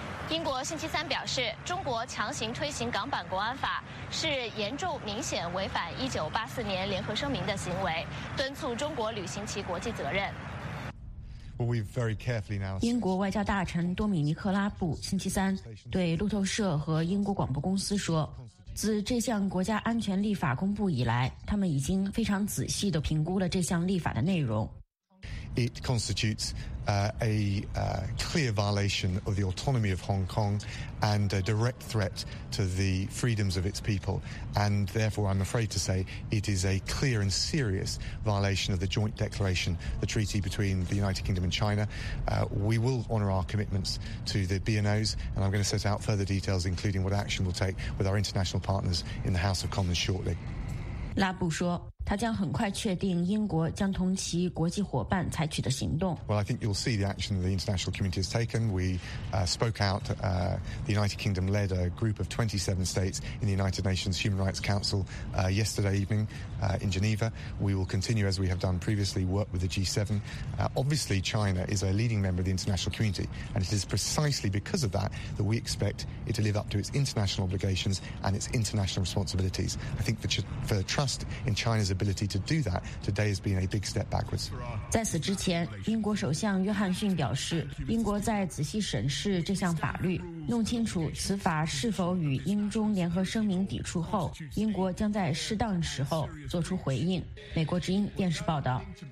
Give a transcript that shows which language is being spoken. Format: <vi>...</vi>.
<zh>英国星期三表示，中国强行推行港版国安法是严重明显违反1984年联合声明的行为，敦促中国履行其国际责任。英国外交大臣多米尼克拉布星期三对路透社和英国广播公司说，自这项国家安全立法公布以来，他们已经非常仔细地评估了这项立法的内容。</zh> <en>It constitutes clear violation of the autonomy of Hong Kong and a direct threat to the freedoms of its people. And therefore, I'm afraid to say it is a clear and serious violation of the joint declaration, the treaty between the United Kingdom and China. We will honour our commitments to the BNOs, and I'm going to set out further details, including what action we'll take with our international partners in the House of Commons shortly.</en> <zh>拉布说，他将很快确定英国将同其国际伙伴采取的行动。</zh> <en>Well, I think you'll see the action the international community has taken. We spoke out. The United Kingdom led a group of 27 states in the United Nations Human Rights Council yesterday evening in Geneva. We will continue, as we have done previously, work with the G7. Obviously, China is a leading member of the international community, and it is precisely because of that that we expect it to live up to its international obligations and its international responsibilities. I think for trust in China's ability to do that, today has been a big step backwards.</en> <zh>在此之前，英国首相约翰逊表示，英国在仔细审视这项法律，弄清楚此法是否与英中联合声明抵触后，英国将在适当时候做出回应。美国之音电视报道。</zh>